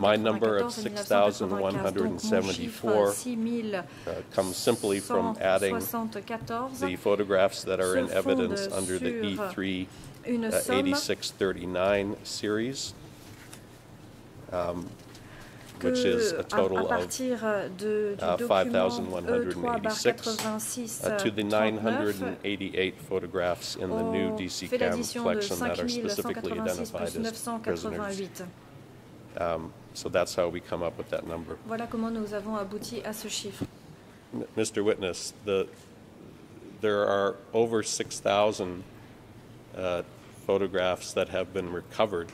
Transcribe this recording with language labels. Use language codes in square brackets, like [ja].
[en] My number of 6,174 comes simply from adding the photographs that are in evidence under the E3-8639 series, which is a total of 5,186, to the 988 photographs in the new DC Cam collection that are specifically identified as prisoners. So that's how we come up with that number. [fr] Voilà comment nous avons abouti à ce chiffre. [en] Mr. Witness, there are over 6,000 photographs that have been recovered.